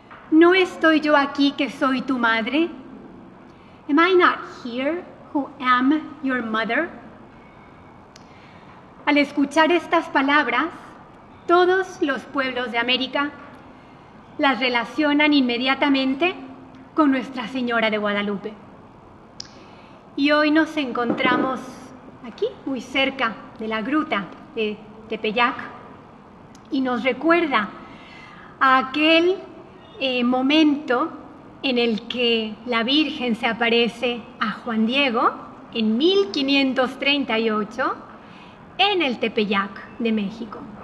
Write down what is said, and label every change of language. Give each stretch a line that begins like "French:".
Spanish: ¿No estoy yo aquí que soy tu madre?
English: Am I not here who am your mother?
Spanish: Al escuchar estas palabras, todos los pueblos de América las relacionan inmediatamente con Nuestra Señora de Guadalupe. Y hoy nos encontramos aquí, muy cerca de la gruta de Tepeyac, y nos recuerda a aquel momento en el que la Virgen se aparece a Juan Diego en 1538 en el Tepeyac de México.